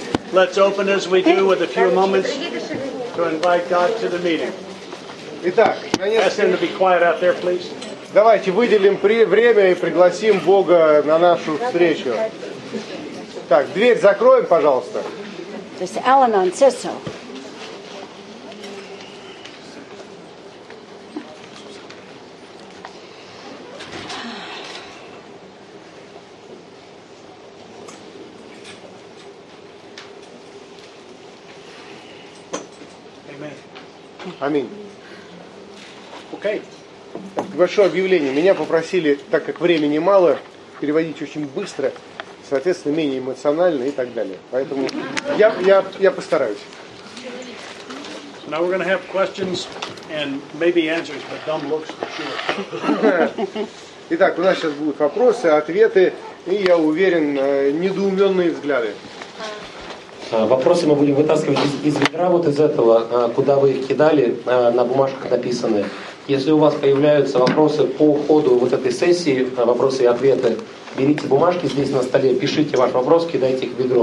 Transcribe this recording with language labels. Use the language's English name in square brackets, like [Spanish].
[English] Let's open as we do with a few moments to invite God to the meeting. [Russian] Итак, [English] ask him to be quiet out there, please. [Russian] Давайте выделим время и пригласим Бога на нашу встречу. Так, дверь закроем, пожалуйста. [English] This Al-Anon says so. [Russian] Аминь. Окей. Большое объявление. Меня попросили, так как времени мало, переводить очень быстро, соответственно, менее эмоционально и так далее. Поэтому я постараюсь. [English] Now we're going to have questions and maybe answers, but dumb looks for sure. [Russian] Итак, у нас сейчас будут вопросы, ответы и, я уверен, недоуменные взгляды. Вопросы мы будем вытаскивать из ведра, вот из этого, куда вы их кидали, на бумажках написанные. Если у вас появляются вопросы по ходу вот этой сессии, вопросы и ответы, берите бумажки здесь на столе, пишите ваш вопрос, кидайте их в ведро.